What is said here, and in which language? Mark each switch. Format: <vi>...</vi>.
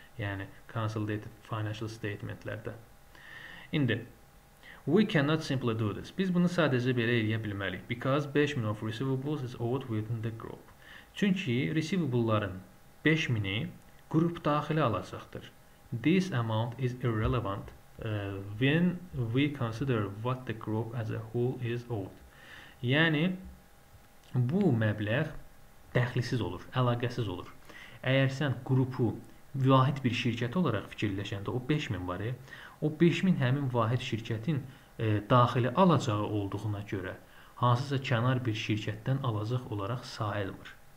<az>Yəni, consolidated financial statementlərdə.</az> <en>İndi, we cannot simply do this.</en> <az>Biz bunu sadəcə belə eləyə bilməliyik.</az> <en>Because 5,000 of receivables is owed within the group.</en> <az>Çünki receivable-ların 5,000-i qrup daxili alacaqdır.</az> <en>This amount is irrelevant when we consider what the group as a whole is owed.</en> <az>Yəni, bu məbləğ dəxlisiz olur, əlaqəsiz olur. Əgər sən qrupu vahid bir şirkət olaraq fikirləşəndə o 5,000 var. O 5,000 həmin vahid şirkətin daxili alacağı olduğuna görə hansısa kənar bir şirkətdən alacaq olaraq sayılmır.</az>